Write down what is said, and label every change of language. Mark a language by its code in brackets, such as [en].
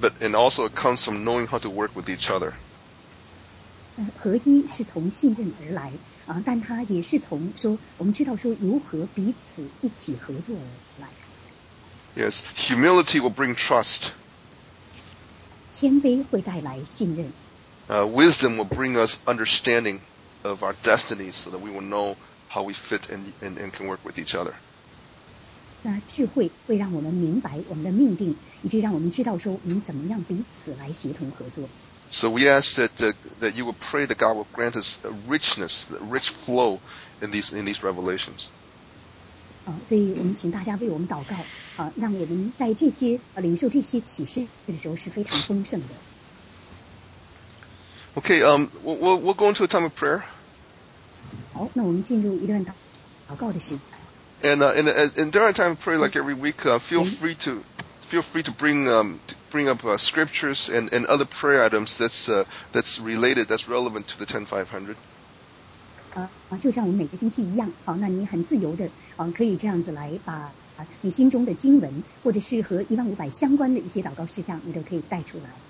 [en] And also it comes from knowing how to work with each other. [zh] 合一是从信任而来但它也是从说我们知道说如何彼此一起合作而来。 [en] Yes, humility will bring trust. [zh] 谦卑会带来信任。 [en] Wisdom will bring us understanding of our destinies so that we will know how we fit and can work with each other. [zh] 那智慧会让我们明白我们的命定，以及让我们知道说我们怎么样彼此来协同合作。 [en] So we ask that, that you would pray that God would grant us a richness, a rich flow in these revelations. [zh] 所以我们请大家为我们祷告，让我们在这些领受这些启示的时候是非常丰盛的。 [en] Okay, we'll go into a time of prayer. [zh] 好，那我们进入一段祷告的时间。 [en] And during our time of prayer, like every week, feel free to bring up scriptures and other prayer items that's related, that's relevant to the 10500. [zh] 就像我们每个星期一样，那你很自由的，可以这样子来把你心中的经文，或者是和1500相关的一些祷告事项，你都可以带出来。